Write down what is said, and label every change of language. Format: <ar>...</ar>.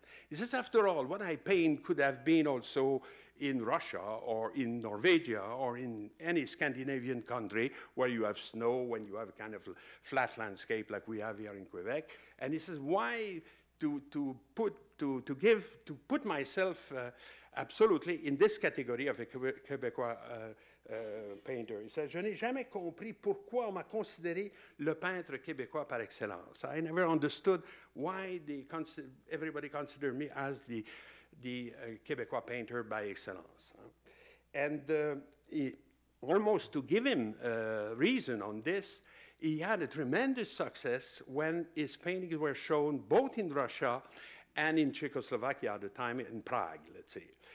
<en>He says, after all, what I paint could have been also in Russia or in Norway or in any Scandinavian country where you have snow, when you have a kind of flat landscape like we have here in Quebec. And he says, why to put myself absolutely in this category of a Quebecois painter? He says,</en> <fr>je n'ai jamais compris pourquoi on m'a considéré le peintre Québécois par excellence.</fr> <en>I never understood why everybody considered me as the Quebecois painter by excellence. And almost to give him reason on this, he had a tremendous success when his paintings were shown both in Russia and in Czechoslovakia at the time, in Prague, let's say.</en>